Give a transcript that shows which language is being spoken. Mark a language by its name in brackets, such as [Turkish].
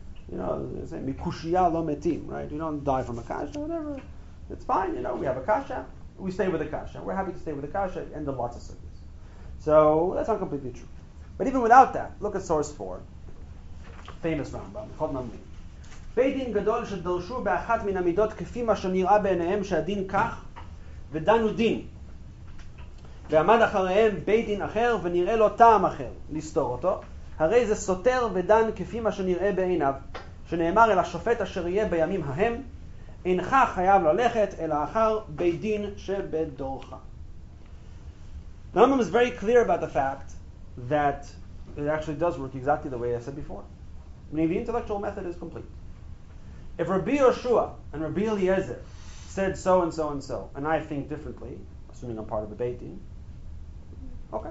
[English] You know, they say, [Hebrew] mikushiya lo metim, [English] right? We don't die from a kasha, whatever. It's fine, you know, we have a kasha. We stay with a kasha. We're happy to stay with a kasha and the lots of sugyas. So that's not completely true. But even without that, look at source 4. Famous Rambam, called Namli. [Hebrew] בית דין גדול שדלשו באחת מן המידות כפי מה שנראה בעיניהם שהדין כך ודנו דין ועמד אחריהם בית דין אחר ונראה לו טעם אחר לסתור אותו הרי זה סותר ודן כפי מה שנראה בעיניו שנאמר אל השופט אשר יהיה בימים ההם אינך חייב ללכת אלא אחר בית דין שבדורך. [English] Rambam is very clear about the fact that it actually does work exactly the way I said before. I mean, the intellectual method is complete. If Rabbi Yoshua and Rabbi Eliezer said so and so and so, and I think differently, assuming I'm part of the Beit Din, okay.